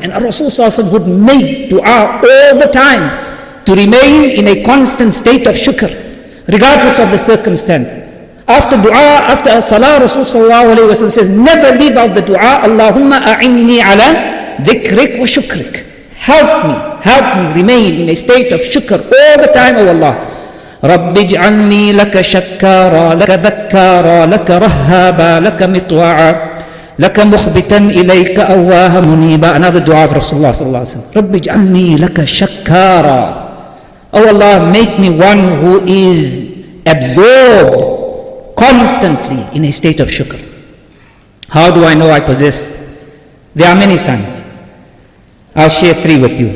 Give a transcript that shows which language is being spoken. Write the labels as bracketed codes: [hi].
[en] And Rasulullah would make dua all the time to remain in a constant state of shukr, regardless of the circumstance. After dua, after a salah, Rasulullah says, never leave out the dua, Allahumma a'inni ala dhikrik wa shukrik. Help me remain in a state of shukr all the time, O Allah. [ar] رَبِّ اجْعَلْنِي لَكَ شَكَّارًا لَكَ ذَكَّارًا لَكَ رَهَّابًا لَكَ مِطْوَعًا لَكَ مُخْبِتًا إِلَيْكَ أَوَّاهَ مُنِيبًا [en] Another dua of Rasulullah sallallahu alayhi wa sallam. [ar] رَبِّ اجْعَلْنِي لَكَ شَكَّارًا [en] Oh Allah, make me one who is absorbed constantly in a state of shukr. How do I know I possess? There are many signs. I'll share three with you.